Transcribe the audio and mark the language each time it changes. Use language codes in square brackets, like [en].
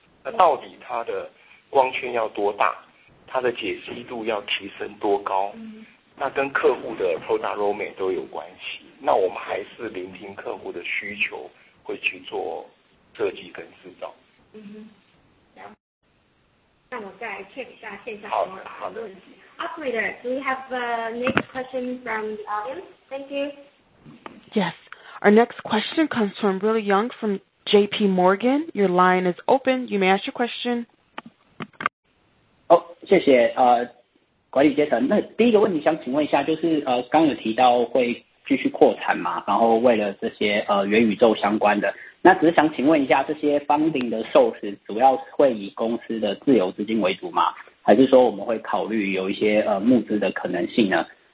[zh] 那到底它的光圈要多大，它的解析度要提升多高，那跟客户的 [en] product roadmap [zh] 都有关系。那我们还是聆听客户的需求，会去做设计跟制造。嗯哼。那我再 check 一下线下有没有问题。 [en] Operator, do we have the next question from the audience? Thank you. Yes. Our next question comes from Will Young from JP Morgan. Your line is open. You may ask your question. [zh] 谢谢管理阶层。那第一个问题想请问一下，就是刚有提到会继续扩产嘛，然后为了这些元宇宙相关的。那只是想请问一下，这些 [en] funding [zh] 的 [en] source [zh] 主要会以公司的自有资金为主吗？还是说我们会考虑有一些募资的可能性呢？